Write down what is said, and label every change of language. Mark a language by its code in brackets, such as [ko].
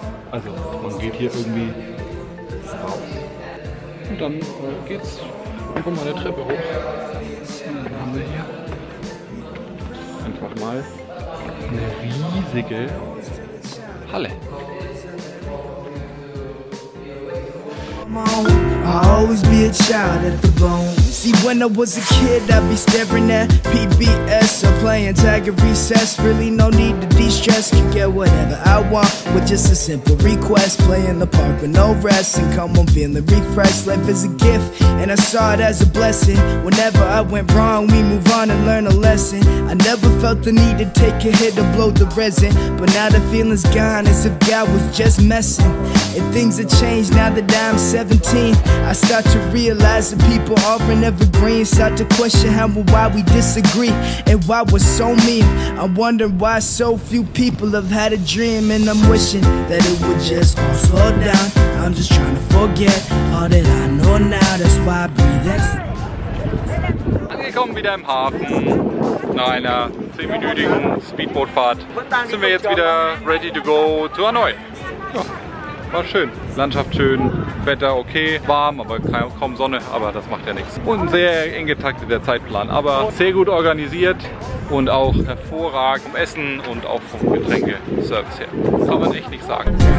[de] Also, man geht hier irgendwie rauf. Und dann geht's über mal eine Treppe hoch. Dann haben wir hier einfach mal eine riesige Halle. [en] I'll always be a child at the bone. See, when I was a kid, I'd be staring at PBS or playing tag at recess. Really, no need to de-stress. Can get whatever I want with just a simple request. Play in the park with no rest and come home feeling refreshed. Life is a gift and I saw it as a blessing. Whenever I went wrong, we move on and learn a lesson. I never felt the need to take a hit or blow the resin. But now the feeling's gone as if God was just messing. And things have changed now that I'm 17. I start to realize that people aren't evergreen. Start to question how and why we disagree and why we're so mean. I'm wondering why so few people have had a dream. And I'm wishing that it would just all slow down. I'm just trying to forget all that I know now. That's why I breathe in. [de] Angekommen wieder im Hafen. Nach einer 10-minütigen Speedbootfahrt sind wir jetzt wieder [en] ready to go to Hanoi. [de] War schön. Landschaft schön, Wetter okay, warm, aber kaum Sonne, aber das macht ja nichts. Und ein sehr eng getakteter Zeitplan, aber sehr gut organisiert und auch hervorragend vom Essen und auch vom Getränke-Service her. Kann man echt nicht sagen.